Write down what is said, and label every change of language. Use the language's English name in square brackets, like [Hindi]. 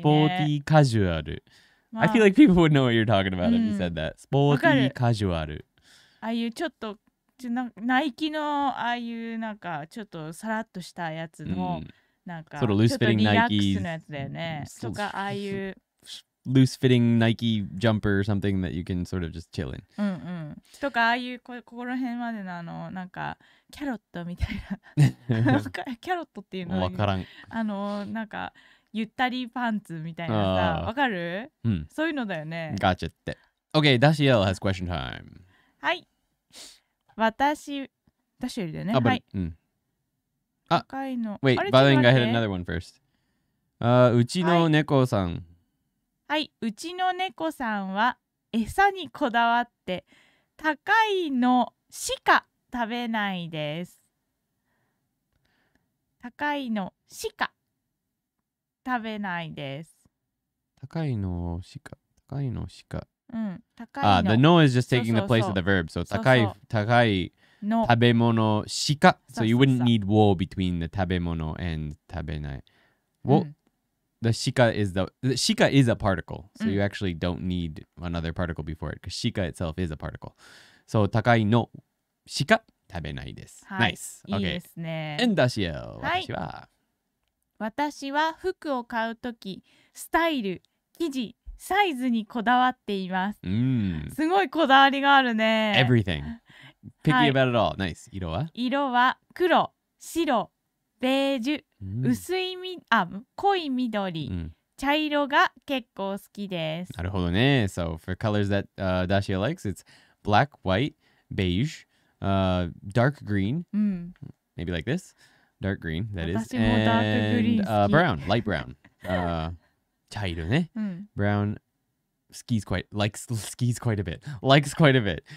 [English] スポーティーカジュアル、まあ、I feel like people would know what you're talking about、うん、if you said that、スポーティーカジュアル、 [Japanese] ああいうちょっと、ナイキのああいうなんかちょっとさらっとしたやつの、うん、なんかちょっとリラックスのやつだよね、とかああいう。 [English] Loose fitting Nike jumper or something that you can sort of just chill in. [Japanese] とかああいうここら辺までのあのなんかキャロットみたいな。キャロットっていうの。わからん。あのなんかゆったりパンツみたいなさ。わかる?そういうのだよね。 [English] Gotcha って。Okay, Dashiel has question time. [Japanese] はい。私、Dashiel だよね。はい。 [English] あ、wait, Valen, I had another one first. [Japanese] うちの猫さん。はい、うちの猫さんは餌にこだわって高いのしか食べないです。高いのしか食べないです。高いのしか。うん、高いの。 [English] The no is just taking the place of the verb. [Japanese] So 高いの食べ物しか。 [English] So you wouldn't need wo between the 食べ物 and 食べない。 Wo、the shika is the shika is a particle. So you actually don't need another particle before it because shika itself is a particle. [Japanese] So 高いのしか食べないです。はい、 [English] nice. Okay. [Japanese] いいですね。 [English] And that's you. [Japanese] 私は服を買うとき、スタイル、生地、サイズにこだわっています。すごいこだわりがあるね。 [English] Everything. Picky about it all. Nice. [Japanese] 色は？色は黒、白、ベージュ、薄いみ、あ、濃い緑、茶色が結構好きです。なるほどね。 [English] So for colors that Dashia likes, it's black, white, beige, dark green, maybe like this. Dark green, that is, and brown, light brown. [Japanese] 茶色ね。 [English] Brown skis quite a bit. Likes quite a bit.